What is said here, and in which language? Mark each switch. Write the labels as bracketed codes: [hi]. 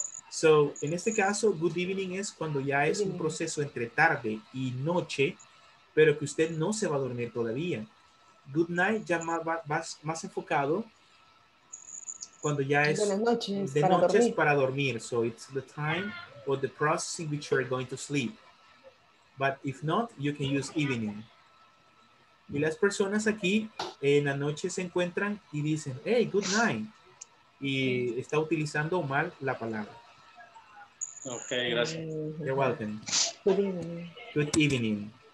[es] So, en este caso, good evening es cuando ya es un proceso entre tarde y noche, pero que usted no se va a dormir todavía. Good night ya más enfocado cuando ya es de noches para dormir. [en] So, it's the time or the process in which you're going to sleep. But if not, you can use evening. [es] Y las personas aquí en la noche se encuentran y dicen, [en] hey, good night. [es] Y está utilizando mal la palabra. Ok, gracias. [en] You're welcome. Good evening. Good evening.